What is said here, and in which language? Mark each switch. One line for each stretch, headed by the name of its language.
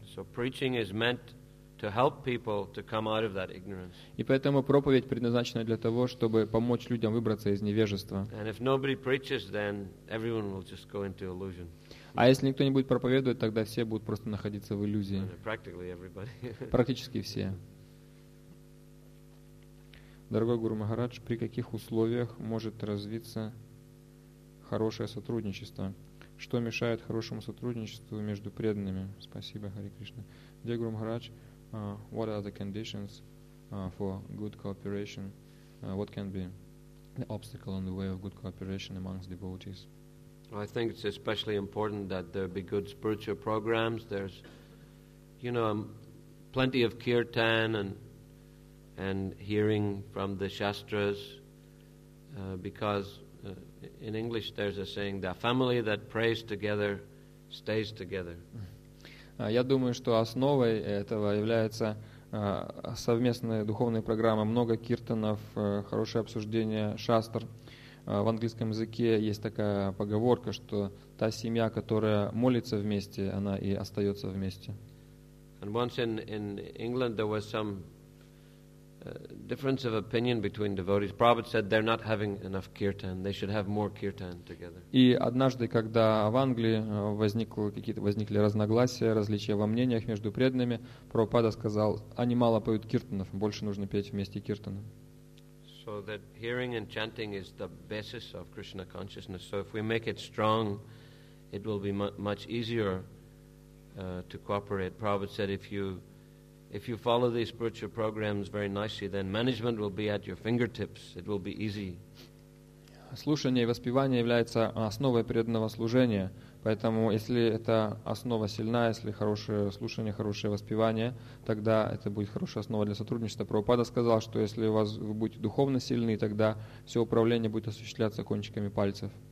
English: So preaching is meant to help people to come out of that ignorance.
Russian: И поэтому проповедь предназначена для того, чтобы помочь людям выбраться из невежества.
English: And if nobody preaches, then everyone will just go into illusion.
Russian: А если никто не будет проповедовать, тогда все будут просто находиться в иллюзии.
English: Practically everybody.
Russian: Практически все. Дорогой Гуру Махарадж, при каких условиях может развиться хорошее сотрудничество? Что мешает хорошему сотрудничеству между преданными? Спасибо, Хари Кришна. Дорогой Гуру Махарадж,
English: what are the conditions for good cooperation? What can be the obstacle in the way of good cooperation amongst devotees? I think it's especially important that there be good spiritual programs. There's, you know, plenty of kirtan and hearing from the shastras, because in English there's a saying, the family that prays together stays together.
Russian: Я думаю, что основой этого является совместная духовная программа, много киртанов, хорошее обсуждение шастр. В английском языке есть такая поговорка, что та семья, которая молится вместе, она и остается вместе.
English: And once in England there was some difference of opinion between devotees. Prabhupada said they're not having enough kirtan. They should have more kirtan together.
Russian: И однажды, когда в Англии возникли разногласия, различия во мнениях между преданными, Прабхупада сказал, они мало поют киртанов, больше нужно петь вместе киртаны.
English: So that hearing and chanting is the basis of Krishna consciousness. So if we make it strong, it will be much easier to cooperate. Prabhupada said if you follow these spiritual programs very nicely, then management will be at your fingertips. It will be easy.
Russian: Слушание и воспевание является основой преданного служения. Поэтому, если эта основа сильна, если хорошее слушание, хорошее воспевание, тогда это будет хорошая основа для сотрудничества. Прабхупада сказал, что если у вас вы будете духовно сильны, тогда все управление будет осуществляться кончиками пальцев.